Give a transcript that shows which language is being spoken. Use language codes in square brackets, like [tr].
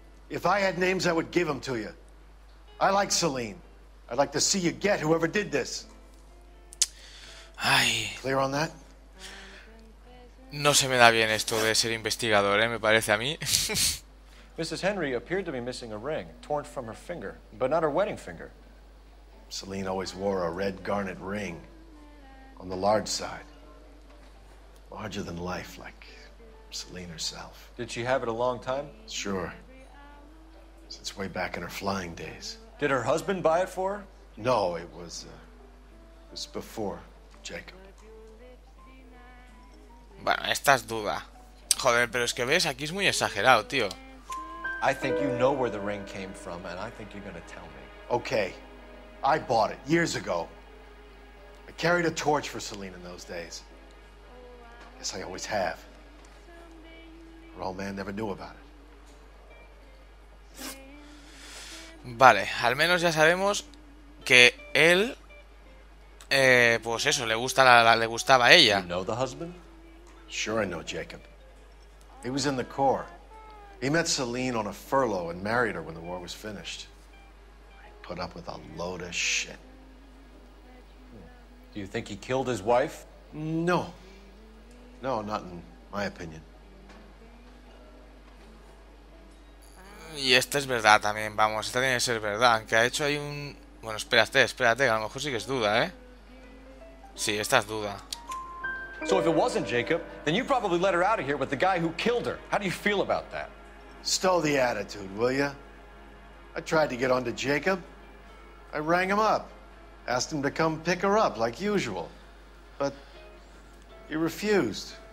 [en] If I had names, I would give them to you. I like Celine. I'd like to see you get whoever did this. Ay. Clear on that? [es] No se me da bien esto de ser investigador, ¿eh? Me parece a mí. [en] Mrs. Henry appeared to be missing a ring, torn from her finger, but not her wedding finger. Celine always wore a red garnet ring on the large side. Larger than life, like Celine herself. Did she have it a long time? Sure. Since way back in her flying days. Did her husband buy it for her? No, it was before Jacob. [es] Bueno, esta es duda. Joder, pero es que ves, aquí es muy exagerado, tío. [en] I think you know where the ring came from, and I think you're gonna tell me. Okay, I bought it years ago. I carried a torch for Celine in those days. Guess I always have. Her old man never knew about it. [es] Vale, al menos ya sabemos que él, pues eso, le gustaba a ella. [en] You know the husband? Sure, I know Jacob. He was in the Corps. He met Celine on a furlough and married her when the war was finished. He put up with a load of shit. Do you think he killed his wife? No. No, not in my opinion. [es] Y esta es verdad también, vamos, esta tiene que ser verdad. Aunque ha hecho ahí un... Bueno, espérate, que a lo mejor sí que es duda, ¿eh? Sí, esta es duda. [en] So if it wasn't Jacob, then you probably let her out of here with the guy who killed her. How do you feel about that? Stow the attitude, will ya? I tried to get onto Jacob. I rang him up. Asked him to come pick her up, like usual. But he refused.